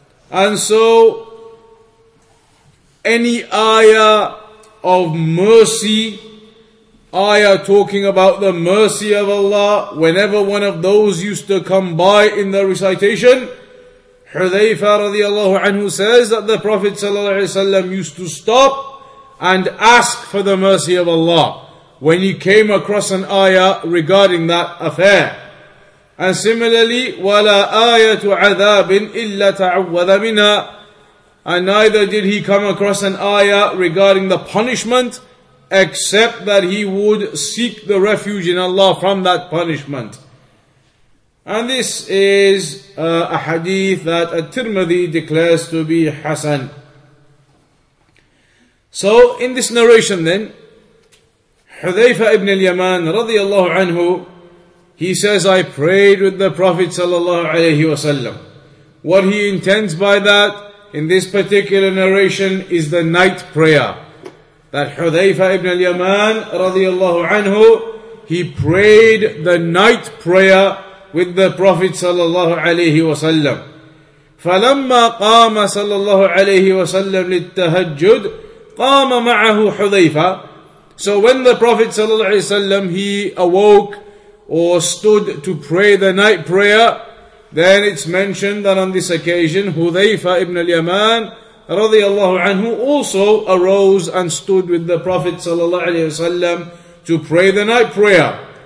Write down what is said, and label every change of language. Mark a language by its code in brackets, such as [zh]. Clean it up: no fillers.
[en] And so, any ayah of mercy, ayah talking about the mercy of Allah, whenever one of those used to come by in the recitation, Hudhaifa radiallahu anhu says that the Prophet sallallahu alayhi wa sallam used to stop and ask for the mercy of Allah when he came across an ayah regarding that affair. And similarly, [ar] وَلَا آيَةُ عَذَابٍ إِلَّا تَعَوَّذَ مِنَا. [en] And neither did he come across an ayah regarding the punishment except that he would seek the refuge in Allah from that punishment. And this is a hadith that At-Tirmidhi declares to be Hasan. So in this narration then, Hudhaifa ibn al-Yaman radiyallahu anhu, he says, I prayed with the Prophet sallallahu alayhi wa sallam. What he intends by that in this particular narration is the night prayer. That Hudhaifa ibn al-Yaman radiyallahu anhu, he prayed the night prayer with the Prophet sallallahu alayhi wa sallam. [ar] فَلَمَّا قَامَ sallallahu alayhi wa sallam لِلتَّهَجُّدْ قَامَ مَعَهُ حُذَيْفَ. [en] So when the Prophet sallallahu alayhi wa sallam, he awoke or stood to pray the night prayer, then it's mentioned that on this occasion, Hudhaifa ibn al-Yaman radiyallahu anhu also arose and stood with the Prophet sallallahu alayhi wa sallam to pray the night prayer.